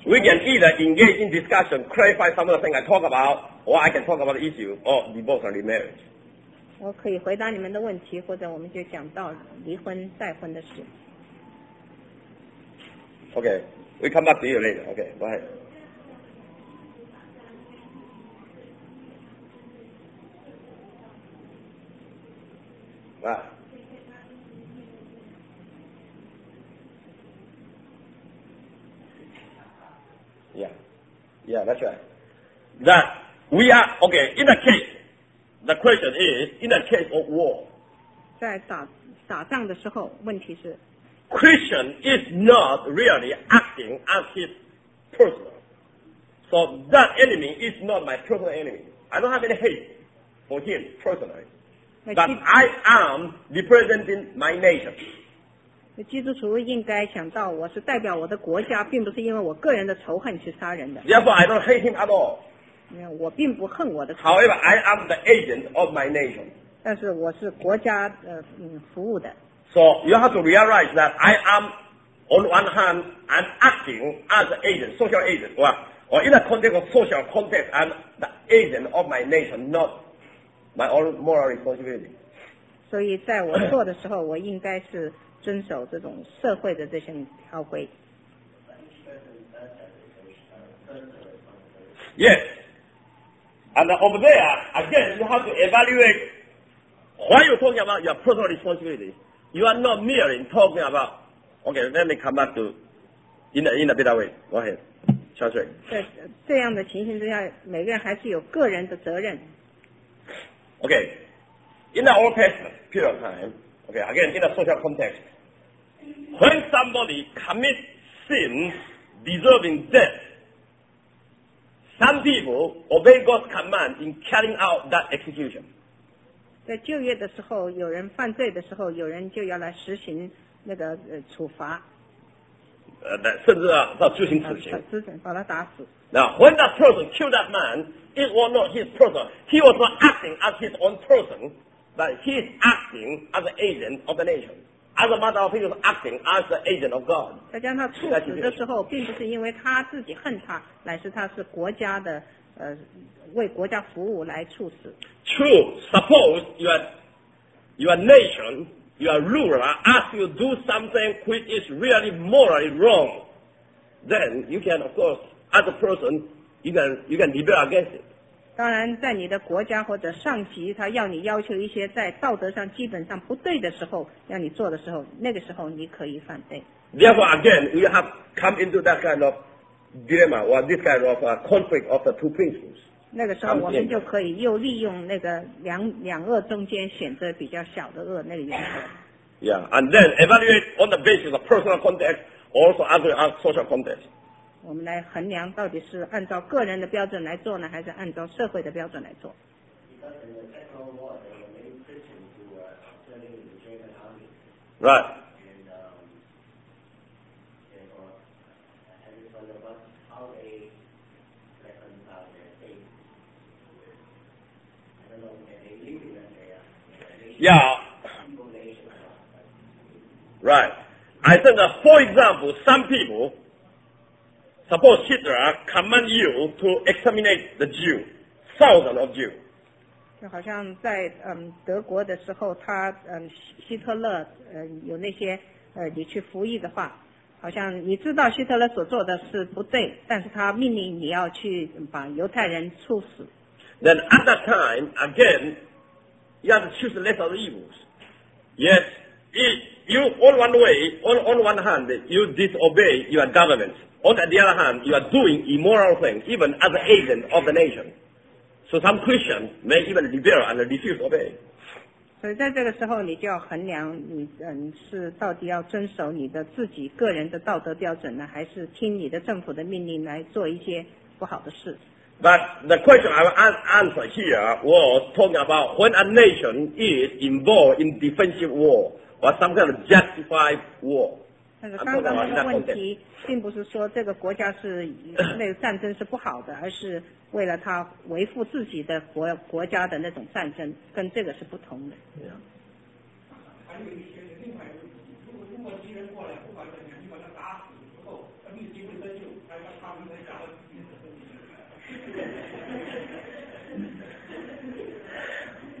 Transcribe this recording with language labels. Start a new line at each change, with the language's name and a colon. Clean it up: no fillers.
English: We can either engage in discussion, clarify some of the things I talk about, or I can talk about the issue of divorce and remarriage.
Chinese: 我可以回答你们的问题，或者我们就讲到离婚再婚的事。
English: Okay, we come back to you later. Okay, go ahead. Wow. Yeah, that's right. That we are, okay, in the case, the question is, in the case of war,
Chinese: 在打仗的时候，问题是
English: Christian is not really acting as his personal. So that enemy is not my personal enemy. I don't have any hate for him personally. But I am representing my nation.
Chinese: 基督徒应该想到我是代表我的国家，并不是因为我个人的仇恨去杀人的。
English: Therefore, I don't hate him at all.
Chinese: 我并不恨我的仇恨。
English: However, I am the agent of my nation.
Chinese: 但是我是国家服务的。
English: So you have to realize that I am, on one hand, I'm acting as an agent, social agent. Or in a context of social context, I'm the agent of my nation, not my own moral responsibility.
Chinese: 所以在我做的时候，我应该是遵守这种社会的这些条规。
English: Yes, and over there again, you have to evaluate why you're talking about your personal responsibility. You are not merely talking about. Okay, let me come back to in a better way. Go ahead, Charles.
Chinese: 在这样的情形之下，每个人还是有个人的责任。
English: Okay, in the Old Testament period of time. Okay, again in a social context. When somebody commits sin deserving death, some people obey God's command in carrying out that execution.
Chinese: 在旧约的时候，有人犯罪的时候，有人就要来实行那个处罚。甚至要执行死刑。执行，把他打死。
English: Now, when that person killed that man, it was not his person. He was not acting as his own person, but he is acting as an agent of the nation. As a matter of his acting as the agent of God.
Chinese: 他将他处死的时候，并不是因为他自己恨他，乃是他是国家的为国家服务来处死。
English: True. Suppose your nation, your ruler asks you to do something which is really morally wrong, then you can of course as a person you can rebel against it.
Chinese: 当然在你的国家或者上级他要你要求一些在道德上基本上不对的时候要你做的时候那个时候你可以反对
English: Therefore again we have come into that kind of dilemma or this kind of conflict of the two principles
Chinese: 那个时候我们就可以又利用那个两恶中间选择比较小的恶那个原则
English: Yeah and then evaluate on the basis of personal context also as a social context We can measure whether it's based on personal standards or based on society standards. Because in the actual war, there were many Christians who were serving in the German army. And or having thought about how they reconcile their faith. I don't know, they live in that area. Yeah. Right. I think that, for example, some people,Suppose Hitler command you to exterminate the Jew, thousands of Jew.
Chinese: 就好像在德国的时候，他希特勒有那些你去服役的话，好像你知道希特勒所做的是不对，但是他命令你要去把犹太人处死。
English: Then at that time, again, you have to choose the lesser of evils. Yes, you on one way, on one hand, you disobey your government. On the other hand, you are doing immoral things, even as an agent of the nation. So some Christians may even rebel and refuse to obey. So in this time, you have to evaluate whether you are following your own personal moral standards or listening to the government's orders to do some bad things. But the question I will answer here was talking about when a nation is involved in defensive war or some kind of justified war.
Chinese: 但是刚刚那个问题并不是说这个国家是那个战争是不好的而是为了他维护自己的国家的那种战争跟这个是不同的还有一些另外如果敌人过过来，不管怎样，你把他打死之后，他立即会得救，还要他们再加了自己的生命。